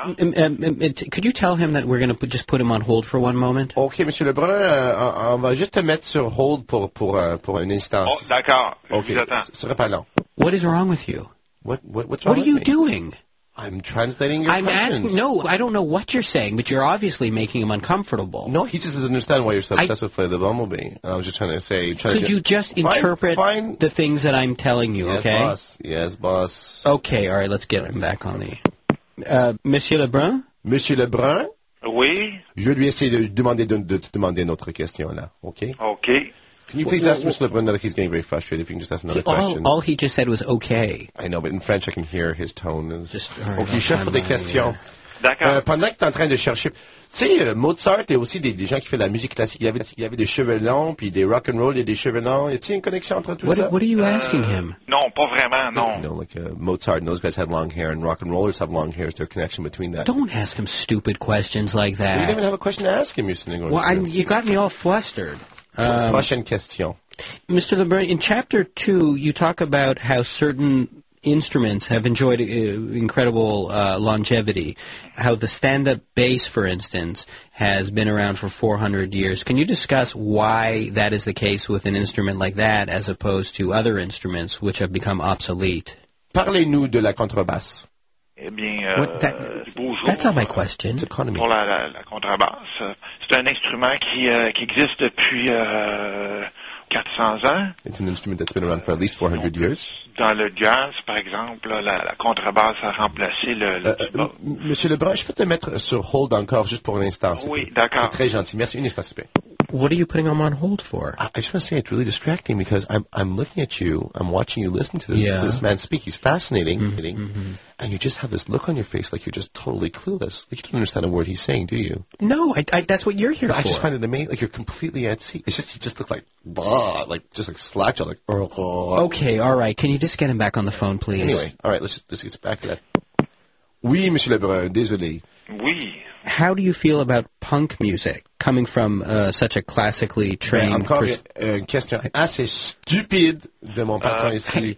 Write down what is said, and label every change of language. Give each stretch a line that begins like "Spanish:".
English: Could you tell him that we're going to just put him on hold for one moment?
French: Okay, Monsieur Lebrun, on va juste te mettre sur hold pour un instant. Oh, d'accord. Okay. Ce serait pas long.
English: What is wrong with you? What's wrong with you? What are you doing? I'm translating your questions. I don't know what you're saying, but you're obviously making him uncomfortable. No, he just doesn't understand why you're so obsessed with Flight of the Bumblebee. I was just trying to say... Could you just interpret the things that I'm telling you, yes, okay? Yes, boss. Yes, boss. Okay, all right, let's get him back on the...
French: Monsieur Lebrun? Monsieur Lebrun? Oui? Je vais lui essayer de demander de te demander une autre question, là, okay? Okay.
English: Can you please ask Mr. Lebrun, now that he's getting very frustrated, if you can just ask another question? All he just said was okay. I know, but in French I can hear his tone. Is... Just
French: okay, cherche des questions. D'accord. Pendant que tu es en train de chercher... Tu sais, Mozart et aussi des gens qui font la musique classique. Il avait des cheveux longs, puis des rock and roll et des cheveux longs. Y a-t-il une connexion entre tout ça?
English: What are you asking him?
French: Non, pas vraiment, non.
English: You know, like Mozart and those guys had long hair, and rock and rollers have long hair. Is there a connection between that? Don't ask him stupid questions like that. You don't even have a question to ask him, you're sitting over there. Well, you got me all flustered.
French: Prochaine question.
English: Mr. Lebrun, in chapter 2, you talk about how certain instruments have enjoyed incredible longevity, how the stand-up bass, for instance, has been around for 400 years. Can you discuss why that is the case with an instrument like that as opposed to other instruments which have become obsolete?
French: Parlez-nous de la contrebasse. Eh bien, bonjour.
English: That's not my question.
French: Pour la contrebasse, c'est un instrument qui existe depuis 400 ans.
English: It's an instrument that's been around for at least 400 years.
French: Dans le jazz, par exemple, la contrebasse a remplacé le Monsieur Lebrun, je peux te mettre sur hold encore juste pour un instant. Oui, d'accord. C'est très gentil. Merci. Un instant, s'il vous plaît.
English: What are you putting him on hold for? I just want to say it's really distracting because I'm looking at you, I'm watching you listen to this man speak. He's fascinating. Mm-hmm. And you just have this look on your face like you're just totally clueless. Like you don't understand a word he's saying, do you? No, I that's what you're here for. I just find it amazing. Like you're completely at sea. It's just you just look like, blah, like just like slouch. Like, oh. Okay, all right. Can you just get him back on the phone, please? Anyway, all right, let's get back to that.
French: Oui, Monsieur Lebrun, désolé. Oui.
English: How do you feel about punk music coming from such a classically trained...
French: Encore une question assez stupide de mon patron ici.